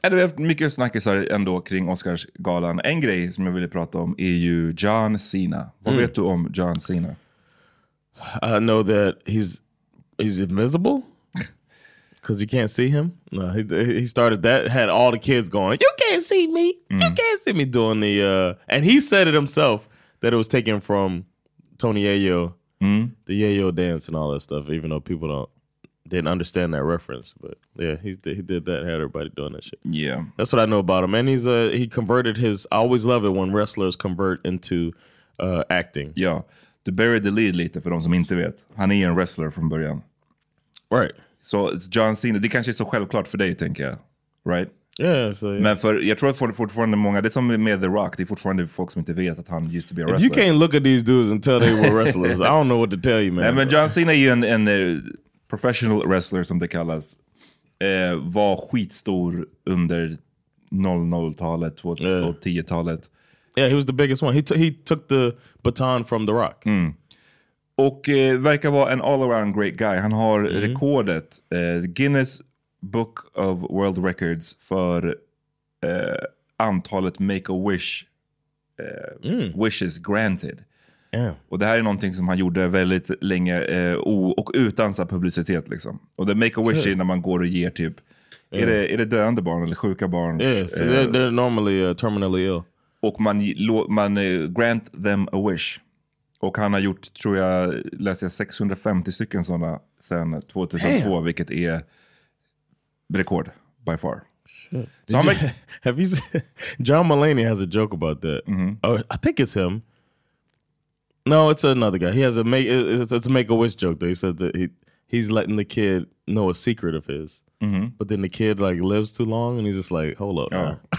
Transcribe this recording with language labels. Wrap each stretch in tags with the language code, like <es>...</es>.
<sv>Det är mycket snackisar ändå kring Oscarsgalan. En grej som jag ville prata om är ju John Cena. Vad vet du om John Cena?</sv> <en>I know that he's invisible because you can't see him. No, he started that, had all the kids going, you can't see me. Mm. You can't see me doing the... and he said it himself that it was taken from Tony Yayo, the Yayo dance and all that stuff, even though people didn't understand that reference. But yeah, he did that and had everybody doing that shit. Yeah. That's what I know about him. And he converted his... I always love it when wrestlers convert into acting. Yeah.</en> <sv>Du</sv> <en>buried the lead</en> <sv>lite för de som inte vet. Han är en wrestler från början.</sv> <en>Right.</en> <sv>Så so John Cena, det kanske är så självklart för dig, tänker jag.</sv> <en>Right? Yeah, so yeah.</en> <sv>Men för jag tror att det fortfarande många, det som är med The Rock, det är fortfarande folk som inte vet att han</sv> <en>used to be a wrestler. If you can't look at these dudes and tell they were wrestlers, I don't know what to tell you, man.</en> <sv>Nej, men John Cena är ju en professional wrestler som det kallas, var skitstor under 00-talet och 10-talet.</sv> <en>Yeah, he was the biggest one. He took the baton from The Rock.</en> <sv>Mm. Och verkar vara en</sv> <en>all-around great guy.</en> <sv>Han har rekordet Guinness Book of World Records för antalet make-a-wish wishes granted.</sv> <en>Yeah.</en> <sv>Och det här är någonting som han gjorde väldigt länge och utan så publicitet liksom. Och det make-a-wish är när man går och ger typ är det döende barn eller sjuka barn?</sv> <en>Yeah, so they're normally terminally ill.</en> <sv>Och man</sv> <en>grant them a wish.</en> <sv>Och han har gjort, tror jag, läste jag 650 stycken sådana sedan 2002,</sv> <en>damn,</en> <sv>vilket är rekord</sv> <en>by far. Shit. So I'm like, have you seen, John Mulaney has a joke about that. Mm-hmm. Oh, I think it's him. No, it's another guy. He has it's a make-a-wish joke, though. He said that he's letting the kid know a secret of his. Mm-hmm. But then the kid like lives too long, and he's just like, hold up, oh.</en>